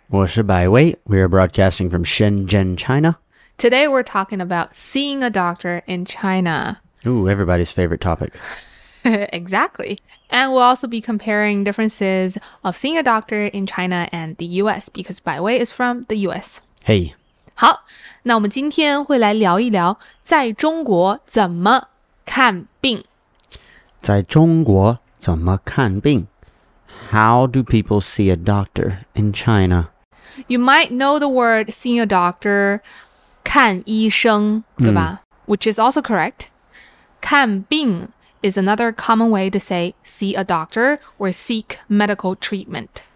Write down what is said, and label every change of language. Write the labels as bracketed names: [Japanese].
[Chinese] 我是 [English] Bai Wei. We are broadcasting from Shenzhen, China. Today we're talking about seeing a doctor in China. Ooh, everybody's favorite topic. Exactly. And we'll also be comparing differences of seeing a doctor in China and the US, because Bai Wei is from the US. Hey. [Chinese] 好，那我们今天会来聊一聊在中国怎么看病。在中国怎么看病? [English] How do people see a doctor in China? You might know the word seeing a doctor, [Chinese] 看医生,对吧? [English] Which is also correct. 看病 is another common way to say see a doctor or seek medical treatment.